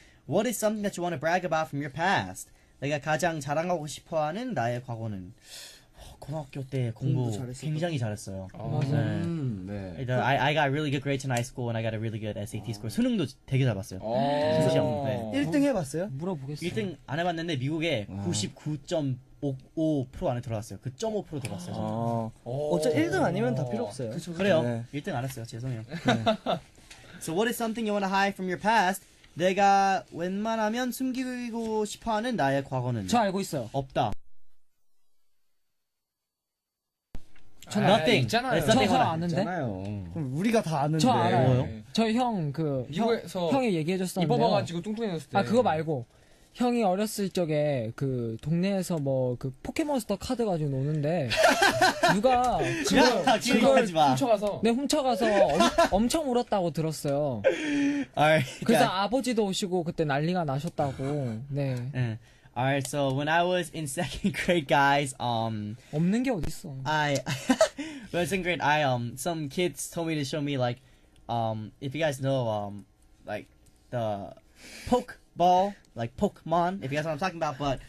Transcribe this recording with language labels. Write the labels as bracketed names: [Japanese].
[English] What is something that you want to brag about from your past? [Korean] 내가 가장 자랑하고 싶어하는 나의 과거는 고등학교 때 공부 잘했었고. 굉장히 잘했어요. 맞아요. 네. 네. [English] I got really good grades in high school and I got a really good SAT score. [Korean] 수능도 되게 잘 봤어요. 수시험. 네. 1등 해봤어요? 물어보겠어요. 1등 안 해봤는데 미국에 99.55% 안에 들어갔어요. 그 0.5% 들어갔어요. 어차피 1등 아니면 다 필요 없어요. 그쵸, 그래요. 네. 1등 안 했어요. 죄송해요. 네. So what is something you want to hide from your past? 내가 웬만하면 숨기고 싶어하는 나의 과거는 저 알고 있어요. 없다. 전 [English] nothing. [Korean] 있잖아요. 저 아는데. 있잖아요. 그럼 우리가 다 아는데. 저 알아요. 네. 저희 형 그 미국에서 형이 얘기해줬었는데. 입어봐가지고 뚱뚱해졌을 때. 아 그거 말고 형이 어렸을 적에 그 동네에서 뭐 그 포켓몬스터 카드 가지고 노는데 누가 그걸 훔쳐가서. 네 훔쳐가서 엄청 울었다고 들었어요. 알. 그래서 아버지도 오시고 그때 난리가 나셨다고. 네. 네. [English] Alright, so when I was in second grade, guys, [Korean] 없는 게 어딨어. [English] I when I was in grade, I some kids told me to show me like, if you guys know like the Pokeball, like Pokemon, if you guys know what I'm talking about.